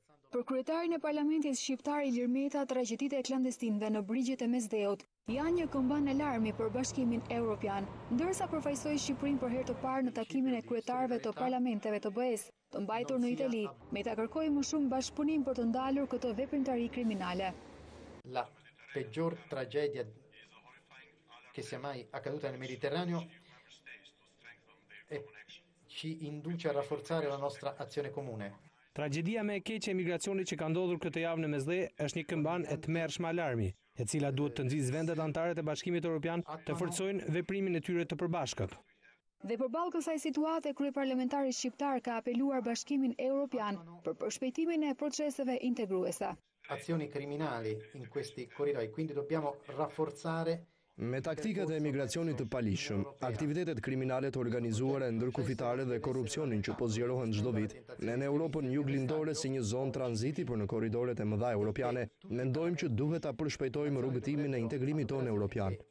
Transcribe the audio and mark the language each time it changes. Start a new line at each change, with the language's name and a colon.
Albanian: Për kryetarin e parlamentit shqiptar Ilir Meta, tragjeditë e klandestinëve në brigjet e Mesdheut janë një këmban alarmi për Bashkimin Evropian, ndërsa përfaqësoi Shqipërinë për herë të parë në takimin e kryetarëve të parlamenteve të BE-s. Të mbajtur në Itali, Meta kërkoi më shumë bashkëpunim për të ndalur këtë veprimtari kriminale.
Italian: La peggior tragedia che sia mai accaduta nel Mediterraneo e ci induce a rafforzare la nostra azione comune.
Albanian: Tragedia më e keqe e emigracionit që ka ndodhur këtë javë në Mesdhe është një këmban e tmerrshëm alarmi, e cila duhet të nxjisë vendet anëtare të Bashkimit Evropian të forcojnë veprimin e tyre të përbashkët. Dhe përballë kësaj situate, kryeparlamentari shqiptar ka apeluar Bashkimin Evropian për përshpejtimin e proceseve integruese.
Italian: Azioni criminali in questi corridoi, quindi dobbiamo rafforzare.
Albanian: Me taktikat e emigracionit të palishëm, aktivitetet kriminale të organizuara e ndërkufitare dhe korrupsionin që po zgjerohen çdo vit, ne në Europën juglindore si një zonë tranziti për në korridoret e mëdha europiane, mendojmë që duhet ta përshpejtojmë rrugëtimin e integrimit tonë europian.